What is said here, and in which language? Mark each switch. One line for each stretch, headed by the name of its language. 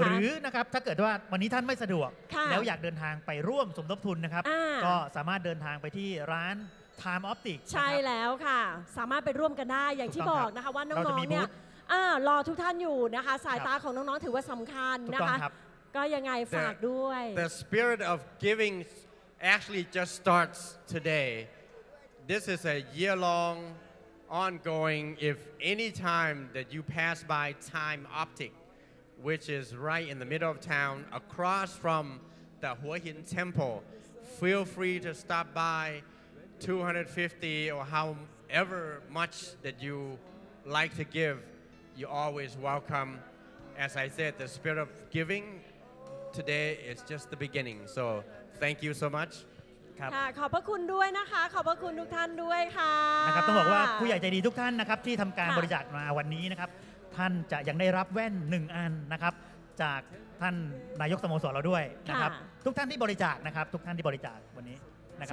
Thai: หรือนะครับถ้าเกิดว่าวันนี้ท่านไม่สะดวกแล้วอยากเดินทางไปร่วมสมทบทุนนะครับก็สามารถเดินทางไปที่ร้านTime Optic ใช่แล้วค่ะสามารถไปร่วมกันได้อย่างที่บอกนะคะว่าน้องๆเนี่ยรอทุกท่านอยู่นะคะสายตาของน้องๆถือว่าสำคัญนะคะก็ยังไงฝากด้วย
English: The spirit of giving actually just starts today. This is a year-long ongoing. If any time that you pass by Time Optic, which is right in the middle of town, across from the Hua Hin Temple, feel free to stop by 250 or however much that you like to give. You're always welcome. As I said, the spirit of giving today is just the beginning. So thank you so much.
Thai: ค่ะขอบพระคุณด้วยนะคะขอบพระคุณทุกท่านด้วยค่ะ นะครับต้องบอกว่าผู้ใหญ่ใจดีทุกท่านนะครับที่ทำการบริจาคมาวันนี้นะครับท่านจะยังได้รับแว่น1อันนะครับจากท่านนายกสโมสรเราด้วยนะครับทุกท่านที่บริจาคนะครับทุกท่านที่บริจาควันนี้นะคร